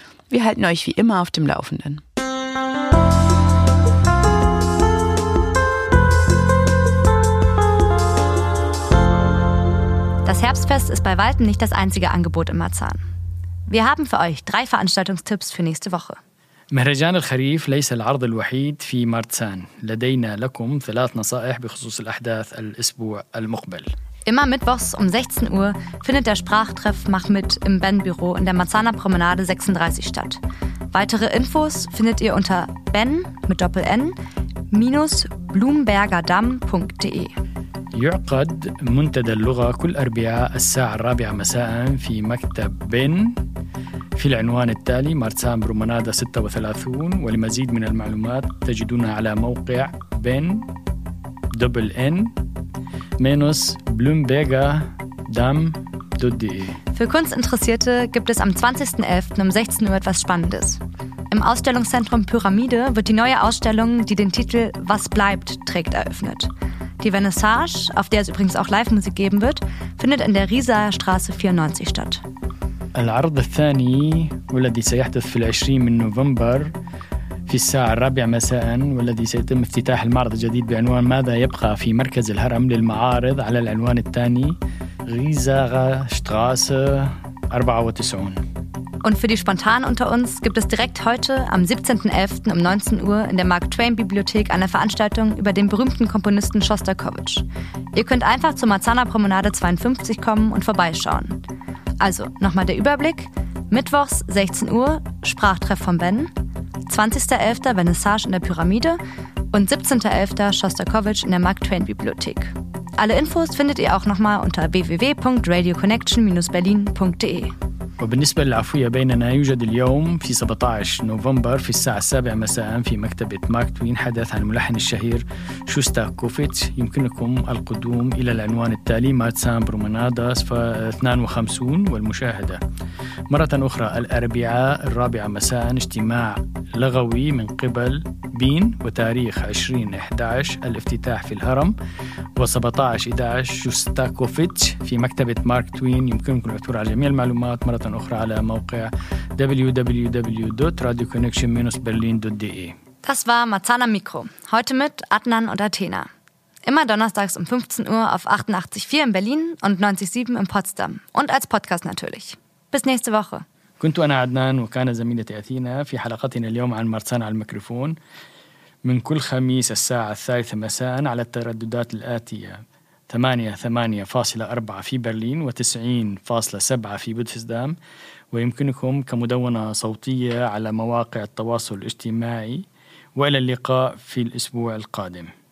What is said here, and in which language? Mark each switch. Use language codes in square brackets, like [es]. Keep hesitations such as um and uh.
[de] Wir halten euch wie immer auf dem Laufenden. Das Herbstfest ist bei weitem nicht das einzige Angebot in Marzahn. Wir haben für euch drei Veranstaltungstipps für nächste Woche. [ar] مهرجان الخريف ليس العرض الوحيد في مارتسان لدينا لكم ثلاث نصائح بخصوص الأحداث الأسبوع المقبل [de] Immer mittwochs um 16 Uhr findet der Sprachtreff Mach mit im Ben-Büro in der Marzahner Promenade 36 statt. Weitere Infos findet ihr unter ben mit Doppel-N minus blumbergerdamm.de. [ar] يعقد منتدى اللغة كل أربعاء الساعة الرابعة مساء في مكتب بن في العنوان التالي مارتسان برومنادا 36 ولمزيد من المعلومات تجدونها على موقع بن دبل ان مينوس بلومبيغا دام دوت دي اي [de] Für Kunstinteressierte gibt es am 20.11. um 16 Uhr etwas Spannendes. Im Ausstellungszentrum Pyramide wird die neue Ausstellung, die den Titel Was bleibt trägt, eröffnet. Die Vernissage, auf der es übrigens auch Live-Musik geben wird, findet in der Rieser Straße 94 statt. [ar] العرض الثاني والذي سيحدث في العشرين من نوفمبر في الساعة الرابعة مساء والذي سيتم افتتاح المعرض الجديد بعنوان ماذا يبقى في مركز الهرم للمعارض على العنوان الثاني غيزاغا شتراسة 94 [de] Und für die Spontanen unter uns gibt es direkt heute am 17.11. um 19 Uhr in der Mark Twain Bibliothek eine Veranstaltung über den berühmten Komponisten Shostakovich. Ihr könnt einfach zur Marzahner Promenade 52 kommen und vorbeischauen. Also nochmal der Überblick. Mittwochs 16 Uhr Sprachtreff von Ben, 20.11. Vernissage in der Pyramide und 17.11. Shostakovich in der Mark Twain Bibliothek. Alle Infos findet ihr auch nochmal unter www.radioconnection-berlin.de. [ar] وبالنسبة للعفوية بيننا يوجد اليوم في 17 نوفمبر في الساعة السابعة مساء في مكتبة ماك توين حدث عن الملحن الشهير شوستا كوفيتش يمكنكم القدوم إلى العنوان التالي ماتسان برومنادا 52 والمشاهدة مرة أخرى الأربعاء الرابعة مساء اجتماع لغوي من قبل بين وتاريخ 20 11 الافتتاح في الهرم و17 11 شوستاكوفيتش في مكتبة مارك توين يمكنكم العثور على جميع المعلومات مرة أخرى على موقع www.radioconnection-berlin.de [de] Das war Marzana Mikro. Heute mit Adnan und Athena. Immer donnerstags um 15 Uhr auf 88.4 in Berlin und 90.7 in Potsdam. Und als Podcast natürlich. Bis nächste Woche. [ar] كنت أنا عدنان وكان زميلتي أثينا في حلقتنا اليوم عن مرسان على الميكروفون من كل خميس الساعة الثالثة مساء على الترددات الآتية 88.4 في برلين و90.7 في بودفسدام ويمكنكم كمدونة صوتية على مواقع التواصل الاجتماعي وإلى اللقاء في الأسبوع القادم